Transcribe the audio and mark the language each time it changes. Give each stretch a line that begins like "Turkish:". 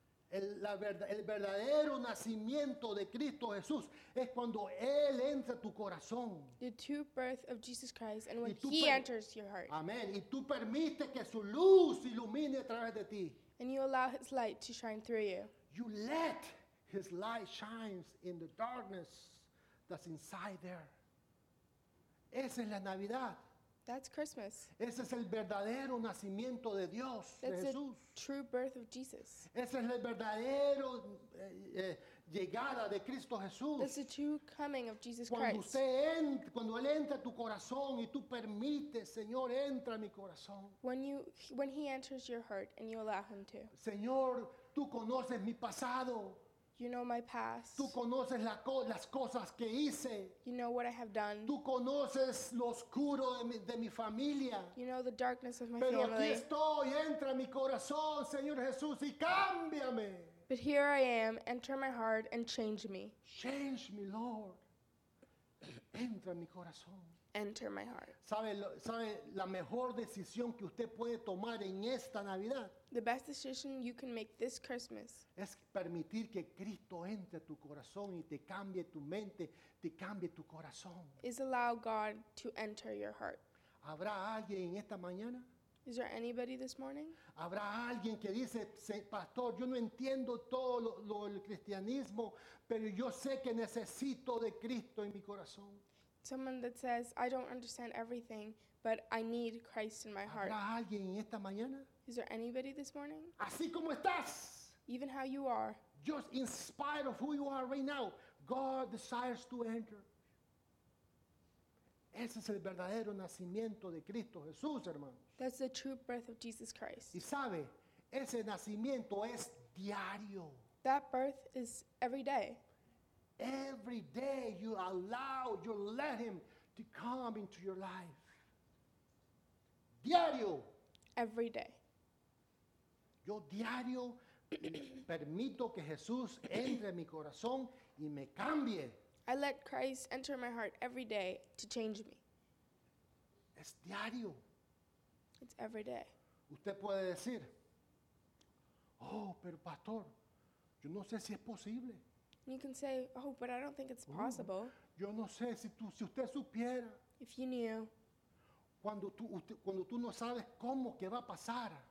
Spanish: El verdadero nacimiento de Cristo Jesús es cuando Él entra a tu corazón.
English: The true birth of Jesus Christ and when He enters your heart.
Spanish: Amén. Y tú permites que su luz ilumine a través de ti.
English: And you allow His light to shine through you. You let His light shine in the darkness that's inside there.
Spanish: Esa es la Navidad.
English: That's Christmas.
Spanish: Ese es el verdadero nacimiento de Dios,
English: That's
Spanish: de Jesús.
English: The true birth of Jesus.
Spanish: Ese es el verdadero llegada de Cristo Jesús.
English: That's the true coming of Jesus
Spanish: cuando
English: Christ.
Spanish: Cuando Él entra a tu corazón y tú permites, Señor, entra a mi corazón.
English: When He enters your heart and you allow Him to.
Spanish: Señor, tú conoces mi pasado.
English: You know my past.
Spanish: Tú conoces las cosas que hice.
English: You know what I have done.
Spanish: Tú conoces lo oscuro de mi familia.
English: You know the darkness of my
Spanish: Pero
English: family.
Spanish: Pero aquí estoy, entra mi corazón, Señor Jesús, y cámbiame.
English: But here I am, enter my heart and change me. Change me, Lord.
Spanish: Entra mi corazón.
English: Enter my heart.
Spanish: ¿Sabe la mejor decisión que usted puede tomar en esta Navidad?
English: The best decision you can make this Christmas.
Spanish: Es permitir que Cristo entre a tu corazón y te cambie tu mente, te cambie tu corazón.
English: Is allow God to enter your heart.
Spanish: ¿Habrá alguien en esta mañana?
English: Is there anybody this morning?
Spanish: ¿Habrá alguien que dice, pastor, yo no entiendo todo lo del cristianismo, pero yo sé que necesito de Cristo en mi corazón?
English: Someone that says, I don't understand everything, but I need Christ in my heart.
Spanish: ¿Habrá alguien en esta mañana?
English: Is there anybody this morning?
Spanish: Así como estás.
English: Even how you are. Just in spite of who you are right now, God desires to enter.
Spanish: Ese es el verdadero nacimiento de Cristo Jesús, hermano.
English: That's the true birth of Jesus Christ.
Spanish: Y sabe, ese nacimiento es diario.
English: That birth is every day. Every day you allow, you let Him to come into your life.
Spanish: Diario.
English: Every day.
Spanish: Yo diario permito que Jesús entre en mi corazón y me cambie.
English: I let Christ enter my heart every day to change me.
Spanish: Es diario.
English: It's every day.
Spanish: Usted puede decir, oh, pero pastor, yo no sé si es posible.
English: You can say, oh, but I don't think it's possible.
Spanish: Yo no sé si usted supiera.
English: If you knew.
Spanish: Cuando tú no sabes cómo que va a pasar.